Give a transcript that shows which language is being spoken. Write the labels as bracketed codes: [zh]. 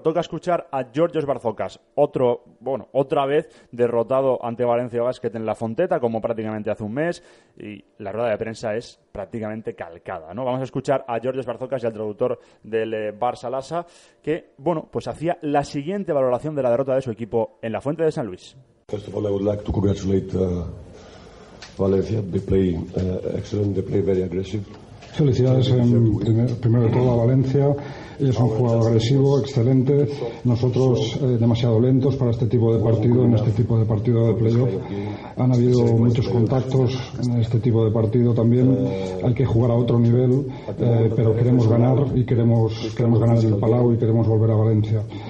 [es] Toca escuchar a Georgios Barzokas, otra vez derrotado ante Valencia Basket en La Fonteta, como prácticamente hace un mes, y la rueda de prensa es prácticamente calcada, ¿no? Vamos a escuchar a Georgios Barzokas y al traductor del Barça Lasa, que, bueno, pues hacía la siguiente valoración de la derrota de su equipo en La Fuente de San Luis. [en] First of all, I would like to congratulate Valencia. They play excellent, they play very aggressive. [es] Felicidades primero de todo a Valencia. Es un jugador agresivo, excelente. Nosotros demasiado lentos para este tipo de partido, en este tipo de partido de playoff. Han habido muchos contactos en este tipo de partido también. Hay que jugar a otro nivel, pero queremos ganar y queremos ganar el Palau y queremos volver a Valencia.